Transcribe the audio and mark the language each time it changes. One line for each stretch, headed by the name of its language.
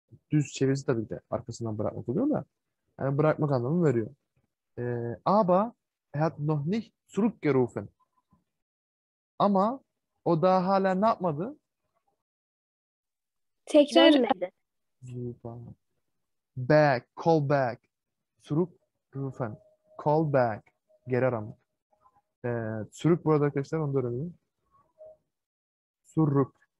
Turkish: Düz çevirisi tabii de arkasından bırakmak oluyor da. Yani bırakmak anlamını veriyor.
German: Aber er hat noch nicht zurückgerufen.
Turkish: Ama o daha hala ne yapmadı? Tekrar
English: back, call back. Zurückrufen. Call back.
Turkish: Geri aramak. Zurück burada arkadaşlar onu da öğrenelim. Zurück.